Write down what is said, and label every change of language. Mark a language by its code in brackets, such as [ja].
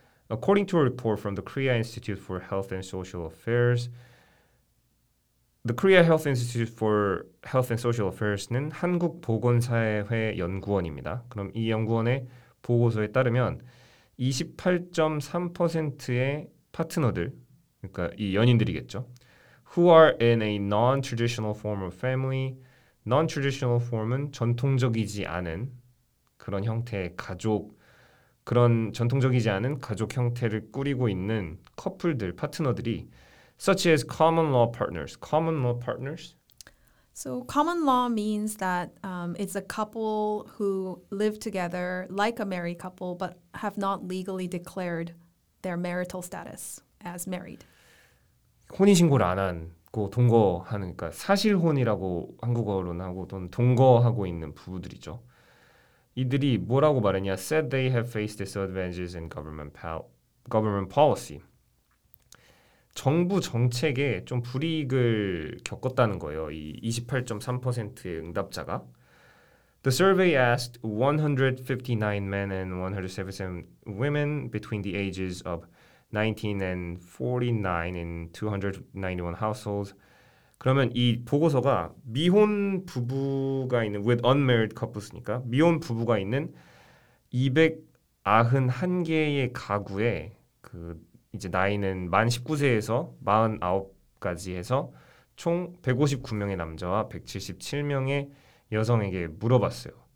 [en] According to a report from the Korea Institute for Health and Social Affairs, The Korea Health Institute for Health and Social Affairs는 [ko] 한국보건사회 연구원입니다. 그럼 이 연구원의 보고서에 따르면 28.3%의 파트너들, 그러니까 이 연인들이겠죠. [en] Who are in a non-traditional form of family. [ko] Non-traditional form은 전통적이지 않은 그런 형태의 가족, 그런 전통적이지 않은 가족 형태를 꾸리고 있는 커플들, 파트너들이 [en] Such as common law partners. Common law partners? So common law means that it's a couple who live together like a married couple but have not legally declared their marital status as married. [ko] 혼인신고를 안 하고 동거하는, 그러니까 사실혼이라고 한국어로는 하고 또는 동거하고 있는 부부들이죠. 이들이 뭐라고 말했냐? [en] Said they have faced disadvantages in government policy. [ko] 정부 정책에 좀 불이익을 겪었다는 거예요. 이 28.3%의 응답자가. [en] The survey asked 159 men and 177 women between the ages of 19 and 49 in 291 households. [ko] 그러면 이 보고서가 미혼 부부가 있는 [en] with unmarried couples [ko] 니까 미혼 부부가 있는 291개의 가구에 그 이제 나이는 만 19세에서 49까지 해서 총 159명의 남자와 177명의 여성에게 물어봤어요.